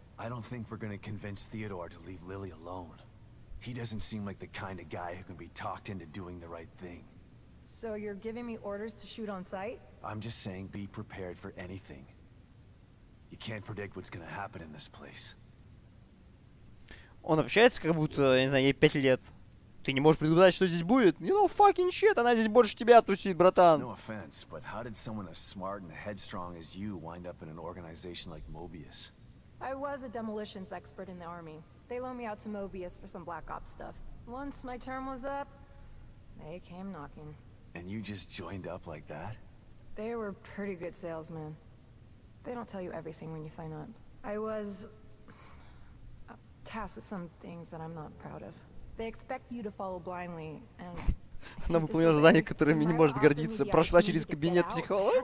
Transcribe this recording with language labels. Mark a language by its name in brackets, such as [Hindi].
[English] I don't think we're gonna convince Theodore to leave Lily alone. He doesn't seem like the kind of guy who can be talked into doing the right thing. So you're giving me orders to shoot on sight? I'm just saying be prepared for anything. You can't predict what's gonna happen in this place. [Russian] Он общается, как будто, я не знаю, ей 5 лет. Ты не можешь предугадать, что здесь будет? [English] You know fucking shit, [Russian] она здесь больше тебя тусит, братан. [English] No offense, but how did someone as smart and headstrong as you wind up in an organization like Mobius? I was a demolitions expert in the army. They loaned me out to Mobius for some Black Ops stuff. Once my term was up, they came knocking. And you just joined up like that? They were pretty good salesmen. They don't tell you everything when you sign up. I was tasked with some things that I'm not proud of. They expect you to follow blindly, and... [Russian] Она выполнила задание, которое не может гордиться. Прошла через кабинет психолога?